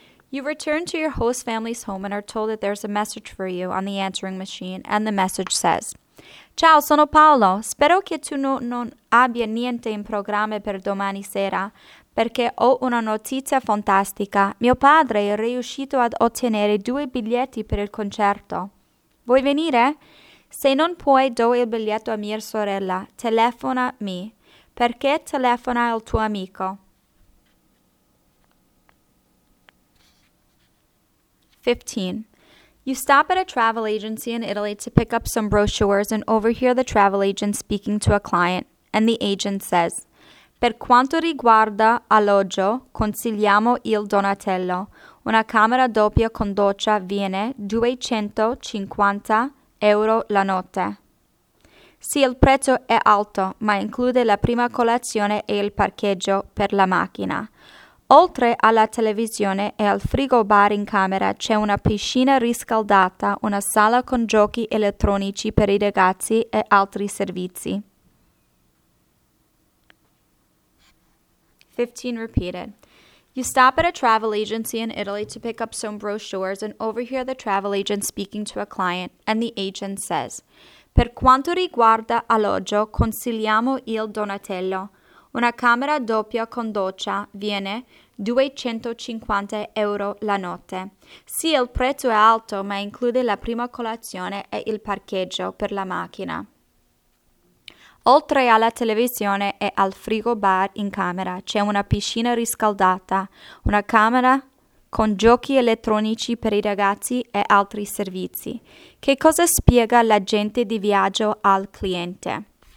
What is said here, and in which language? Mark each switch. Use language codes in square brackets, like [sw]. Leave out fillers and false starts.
[en] You return to your host family's home and are told that there's a message for you on the answering machine, and the message says, [it] Ciao, sono Paolo. Spero che tu non abbia niente in programma per domani sera, perché ho una notizia fantastica. Mio padre è riuscito ad ottenere 2 biglietti per il concerto. Vuoi venire? Se non puoi, do il biglietto a mia sorella. Telefonami. Perché telefona al tuo amico? [en] 15. You stop at a travel agency in Italy to pick up some brochures and overhear the travel agent speaking to a client, and the agent says, [it] Per quanto riguarda alloggio, consigliamo il Donatello. Una camera doppia con doccia viene 250 euro la notte. Sì, il prezzo è alto, ma include la prima colazione e il parcheggio per la macchina. Oltre alla televisione e al frigobar in camera c'è una piscina riscaldata, una sala con giochi elettronici per i ragazzi e altri servizi. [en] 15 repeated. You stop at a travel agency in Italy to pick up some brochures and overhear the travel agent speaking to a client, and the agent says, [it] Per quanto riguarda alloggio, consigliamo il Donatello. Una camera doppia con doccia viene 250 euro la notte. Sì, il prezzo è alto, ma include la prima colazione e il parcheggio per la macchina. Oltre alla televisione e al frigobar in camera, c'è una piscina riscaldata, una camera con giochi elettronici per i ragazzi e altri servizi. Che cosa spiega l'agente di viaggio al cliente?